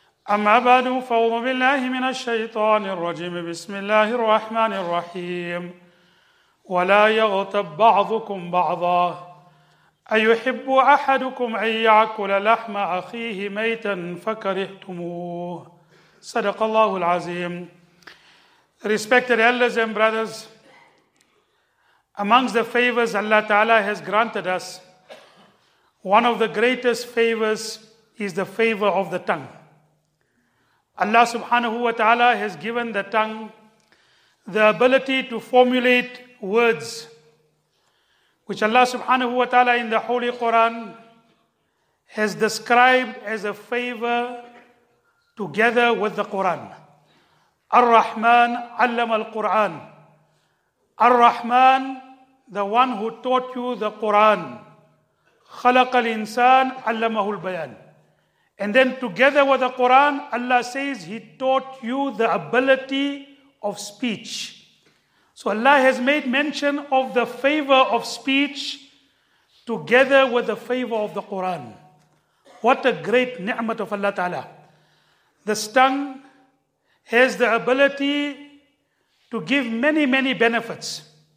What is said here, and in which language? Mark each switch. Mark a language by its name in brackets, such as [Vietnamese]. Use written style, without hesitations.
[Arabic] أما بعد، فأعوذ بالله من الشيطان الرجيم، بسم الله الرحمن الرحيم. ولا يغتب بعضكم بعضا أيحب أحدكم أن يأكل لحم أخيه ميتا فكرهتموه. صدق الله العظيم. [English] Respected elders and brothers, amongst the favors Allah Ta'ala has granted us, one of the greatest favors is the favor of the tongue. Allah Subhanahu wa Ta'ala has given the tongue the ability to formulate words, which Allah Subhanahu wa Ta'ala in the Holy Quran has described as a favor together with the Quran. [Arabic] Ar-Rahman allama al-Quran. [English] Ar-Rahman, the one who taught you the Quran. [Arabic] خلق الإنسان علمه البيان. [English] And then together with the Quran, Allah says He taught you the ability of speech. So Allah has made mention of the favor of speech together with the favor of the Quran. What a great ni'mat of Allah Ta'ala. This tongue has the ability to give many, many benefits.